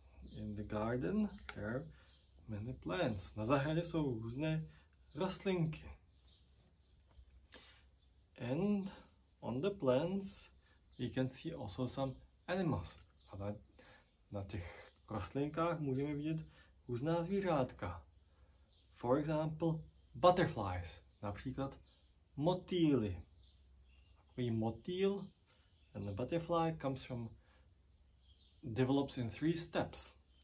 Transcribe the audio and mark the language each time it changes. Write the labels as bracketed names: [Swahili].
[English] In the garden there are many plants. [Czech] Na zahradě jsou různé rostlinky. [English] And on the plants you can see also some animals. [Czech] A na těch rostlinkách můžeme vidět různá zvířátka. [English] For example, butterflies, [Czech] například motýly. Takový motýl [English] and the butterfly comes from, develops in three steps.